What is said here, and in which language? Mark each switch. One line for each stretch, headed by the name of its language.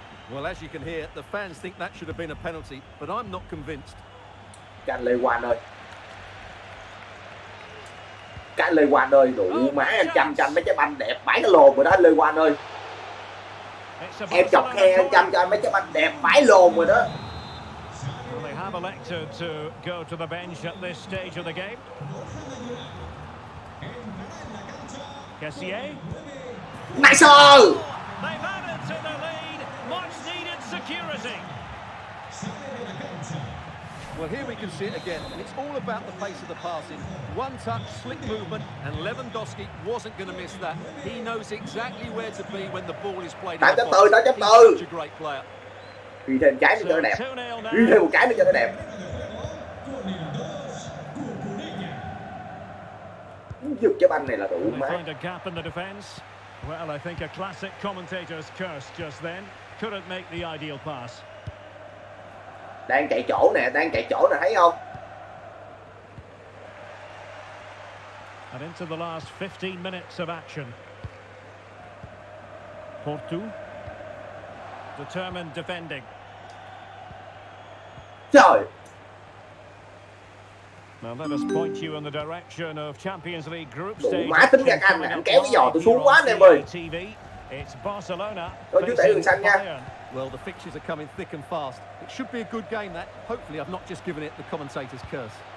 English: Well, as you can hear, the fans think that should have been a penalty, but I'm not convinced.
Vietnamese: Can Lê Hoàng ơi. Cái anh Lê Hoàng ơi, đủ má em chăm chăm mấy trái banh đẹp, bãi cái lồn rồi đó anh Lê Hoàng ơi. Em chọc khe anh chăm cho anh mấy trái banh đẹp, bãi lồn rồi đó.
English: Well, they have elected to go to the bench at this stage of the game. Kessier. Nice all! They've added to the lead, much needed security. Well, here we can see it again, and it's all about the pace of the passing. One touch, slick movement, and Lewandowski wasn't going to miss that. He knows exactly where to be when the ball is played. 8.4, 8.4. He's such a great player.
Vietnamese: Ghi thêm cái nữa cho nó đẹp. Ghi thêm một cái nữa cho nó đẹp. Giật cái banh này là đủ má.
English: Find a gap in the defense. Well, I think a classic commentator's curse just then. Couldn't make the ideal pass.
Vietnamese: Đang chạy chỗ nè, đang chạy chỗ nè, thấy không?
English: And into the last 15 minutes of action. Porto. Determined defending.
Vietnamese: Trời.
English: Now let us point you in the direction of Champions League group
Vietnamese: đủ
English: stage.
Vietnamese: Má tính ra canh nè, kéo cái giò tôi xuống quá nè em ơi.
English: TV. It's Barcelona.
Vietnamese: Rồi chú tẩy đường xanh nha.
English: Well, the fixtures are coming thick and fast. It should be a good game, that. Hopefully, I've not just given it the commentator's curse.